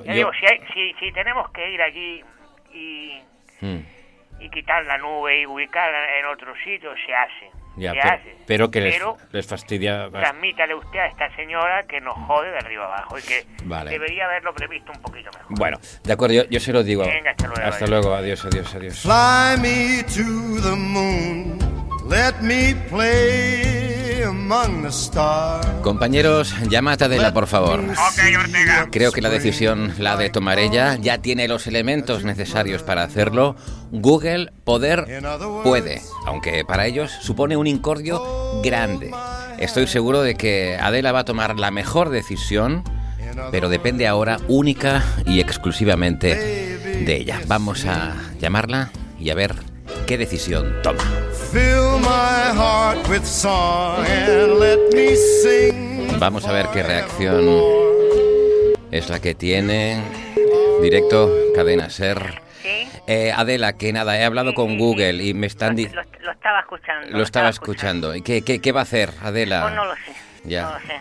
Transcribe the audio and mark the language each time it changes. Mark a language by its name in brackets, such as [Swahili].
[Spanish] digo, si tenemos que ir allí y quitar la nube y ubicarla en otro sitio, se hace. Ya, pero les fastidia. Transmítale usted a esta señora que nos jode de arriba abajo y que debería haberlo previsto un poquito mejor. Bueno, de acuerdo, yo se lo digo. Venga, hasta luego, adiós. [English] Fly me to the moon, let me play among the stars. [Spanish] Compañeros, llama a Tadela, por favor. Ok, Ortega. Creo que la decisión la de tomar ella. Ya tiene los elementos necesarios para hacerlo. Google, poder, puede. Aunque para ellos supone un incordio grande. Estoy seguro de que Adela va a tomar la mejor decisión, pero depende ahora única y exclusivamente de ella. Vamos a llamarla y a ver qué decisión toma. [English] Fill my heart with song and let me sing. [Spanish] Vamos a ver qué reacción es la que tiene. Directo, Cadena SER. Adela, que nada, he hablado con Google y me están diciendo... Lo estaba escuchando. ¿Qué va a hacer, Adela? Pues no lo sé, ya.